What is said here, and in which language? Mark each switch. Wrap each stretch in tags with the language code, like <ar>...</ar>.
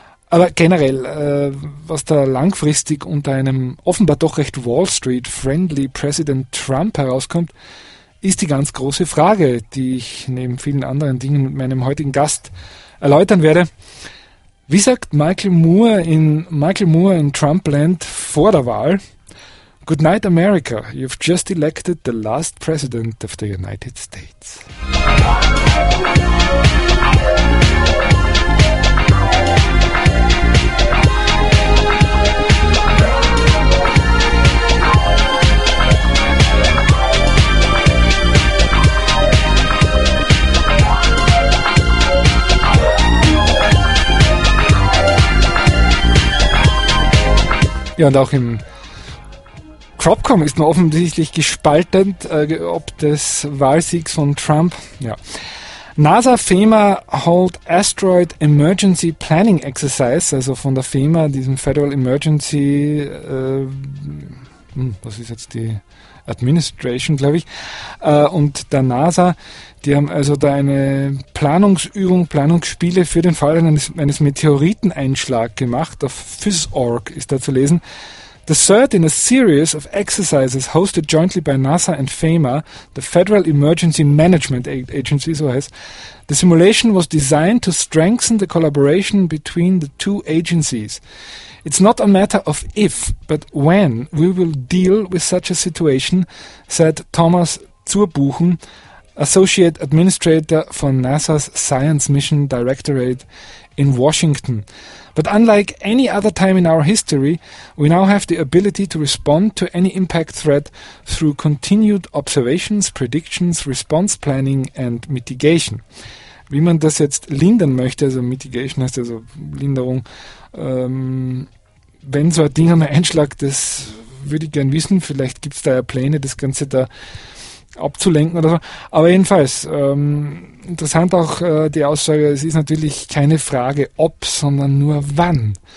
<de>Aber generell, was da langfristig unter einem offenbar doch recht Wall Street-friendly President Trump herauskommt, ist die ganz große Frage, die ich neben vielen anderen Dingen mit meinem heutigen Gast erläutern werde. Wie sagt Michael Moore in Trumpland vor der Wahl?</de> <en>Good night, America. You've just elected the last president of the United States.</en> <de>Ja, und auch im Cropcom ist man offensichtlich gespalten, ob des Wahlsiegs von Trump. Ja.</de> <en>NASA FEMA hold Asteroid Emergency Planning Exercise,</en> <de>also von der FEMA, diesem Federal Emergency, was ist jetzt die Administration, glaube ich, und der NASA, die haben also da eine Planungsspiele für den Fall eines Meteoriteneinschlags gemacht. Auf Physorg ist da zu lesen.</de> <en>The third in a series of exercises hosted jointly by NASA and FEMA, the Federal Emergency Management Agency,</en> <de>so heißt.</de> <en>The simulation was designed to strengthen the collaboration between the two agencies. It's not a matter of if, but when we will deal with such a situation, said Thomas Zurbuchen, Associate Administrator for NASA's Science Mission Directorate in Washington. But unlike any other time in our history, we now have the ability to respond to any impact threat through continued observations, predictions, response planning and mitigation.</en> <de>Wie man das jetzt lindern möchte, also Mitigation heißt also Linderung, wenn so ein Ding einmal einschlägt, das würde ich gern wissen, vielleicht gibt es da ja Pläne, das Ganze da abzulenken oder so. Aber jedenfalls, interessant auch die Aussage, es ist natürlich keine Frage ob, sondern nur wann.</de>